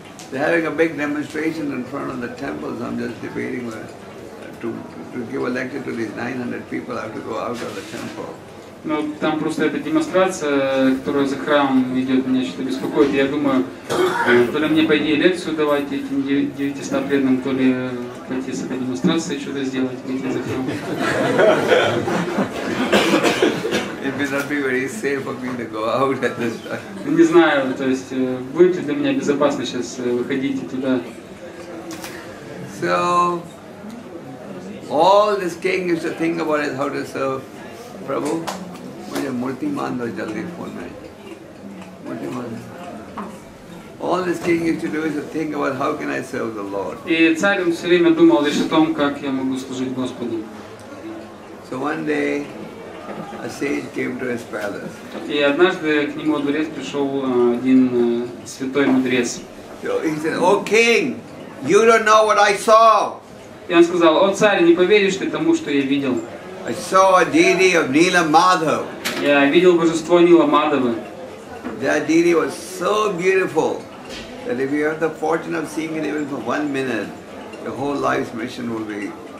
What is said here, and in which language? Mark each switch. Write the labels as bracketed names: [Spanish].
[English] They're having a big demonstration in front of the temple, so I'm just debating where to give a lecture to these 900 people. I have to go out of the temple. [Russian] Ну, там просто эта демонстрация, которая за храмом идет, меня что-то беспокоит. Я думаю, то ли мне пойти лекцию давать этим 900 преданным, то ли пойти с этой демонстрацией что-то сделать, выйти за храм. [English] It may not be very safe for me to go out at this time. [Russian] Не знаю, то есть будет ли для меня безопасно сейчас выходить туда. [English] So all this king used to think about is how to serve Prabhu. [Hindi] Mujhe murti mando jaldi phone mein. Murti mando. [English] All this king used to do is to think about how can I serve the Lord. [Russian] И царь все время думал лишь о том, как я могу служить Господу. [English] So one day. A sage came to his palace. [Russian] И однажды к нему во дворец пришел один святой мудрец. [English] He said, "O king, you don't know what I saw." [Russian] И он сказал: "О царь, не поверишь ты тому, что я видел." [English] I saw a deity of Nila Madhav. [Russian] Я видел божество Нила Мадхава. [English] That deity was so beautiful that if you have the fortune of seeing it even for one minute, your whole life's mission will be.